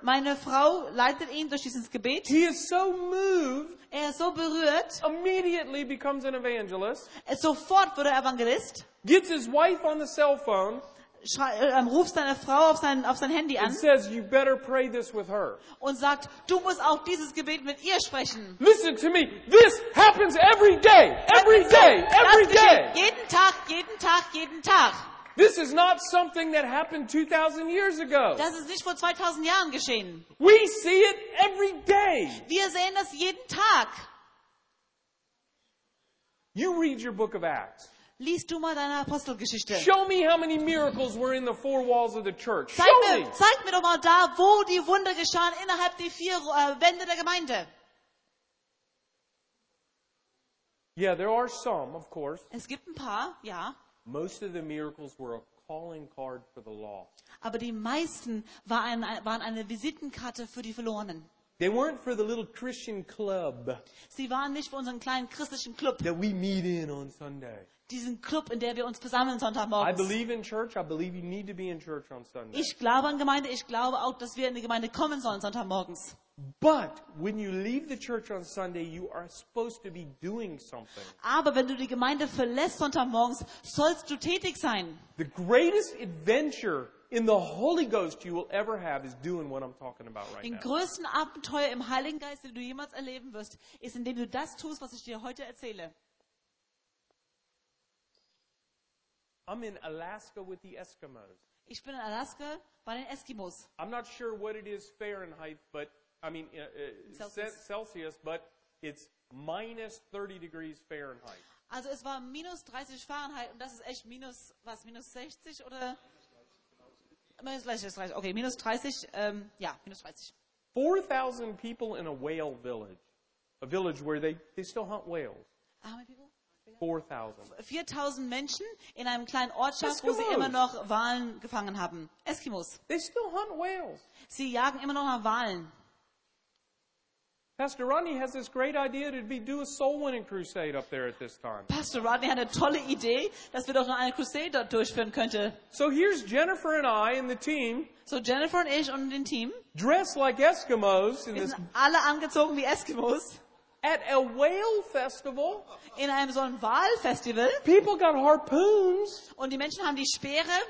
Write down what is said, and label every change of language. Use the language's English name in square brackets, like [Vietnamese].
[German] Meine Frau leitet ihn durch dieses Gebet. [English] He is so moved. [German] Er ist so berührt. [English] Immediately becomes an evangelist. [German] Er sofort wird Evangelist. [English] Gets his wife on the cell phone. [German] Ruft seine Frau auf sein Handy an. [English] And says, you better pray this with her. [German] Und sagt, du musst auch dieses Gebet mit ihr sprechen. [English] Listen to me. This happens every day. Every day. Every day. [German] Jeden Tag, jeden Tag, jeden Tag. [English] This is not something that happened 2000 years ago. [German] Das ist nicht vor 2000 Jahren geschehen. [English] We see it every day. [German] Wir sehen das jeden Tag. [English] You read your book of Acts. [German] Lies du mal deine Apostelgeschichte. [English] Show me how many miracles were in the four walls of the church. [German] Zeig mir doch mal da, wo die Wunder geschahen innerhalb der vier Wände der Gemeinde. [English] Yeah, there are some, of course. [German] Es gibt ein paar, ja. [English] Most of the miracles were a calling card for the lost. [German] Aber die meisten waren eine Visitenkarte für die Verlorenen. [English] They weren't for the little Christian club. [German] Sie waren nicht für unseren kleinen christlichen Club. [English] That we meet in on Sunday. [German] Diesen Club, in der wir uns versammeln Sonntagmorgens. [English] I believe in church. I believe you need to be in church on Sunday. [German] Ich glaube an Gemeinde. Ich glaube auch, dass wir in die Gemeinde kommen sollen Sonntagmorgens. [English] But when you leave the church on Sunday, you are supposed to be doing something. [German] Aber wenn du die Gemeinde verlässt Sonntagmorgens, sollst du tätig sein. [English] The greatest adventure in the Holy Ghost you will ever have is doing what I'm talking about right now. [German] Den größten Abenteuer im Heiligen Geist, den du jemals erleben wirst, ist, indem du das tust, was ich dir heute erzähle. [English] I'm in Alaska with the Eskimos. [German] Ich bin in Alaska bei den Eskimos. [English] I'm not sure what it is Fahrenheit, but I mean Celsius, but it's minus 30 degrees Fahrenheit. [German] Also es war minus 30 Fahrenheit und das ist echt minus, was, minus 60 oder? Minus 30, okay, minus 30, ja, minus 30. [English] 4,000 people in a whale village, a village where they still hunt whales. How many people? 4,000. [German] 4,000 Menschen in einem kleinen Ortschaft, wo sie immer noch Walen gefangen haben. Eskimos. [English] They still hunt whales. [German] Sie jagen immer noch nach Walen. [English] Pastor Rodney has this great idea to do a soul winning crusade up there at this time. [German] Pastor Rodney hat eine tolle Idee, dass wir doch noch eine Crusade dort durchführen könnten. [English] So here's Jennifer and I and the team. [German] So Jennifer und ich und dem Team. [English] Dressed like Eskimos. [German] Wir sind alle angezogen wie Eskimos. [English] At a whale festival. [German] In einem so einem Walfestival. [English] People got harpoons. [German] Und die Menschen haben die Speere.